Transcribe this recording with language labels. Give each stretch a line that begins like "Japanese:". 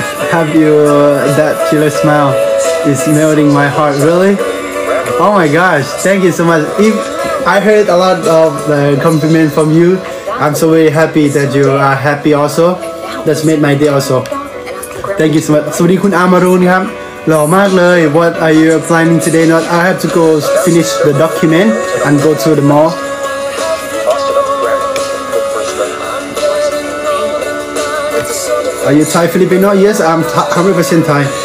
English: have you, that chiller smell is melting my heart, really? Oh my gosh, thank you so much. If I heard a lot of the compliment from you, I'm so very happy that you are happy also. That's made my day also. Thank you so much.
Thai: สวัสดีคุณอามารุนครับหล่อมากเลย
English: What are you planning today? Not I have to go finish the document and go to the mall. Are you Thai Filipino? Yes, I'm 100% Thai.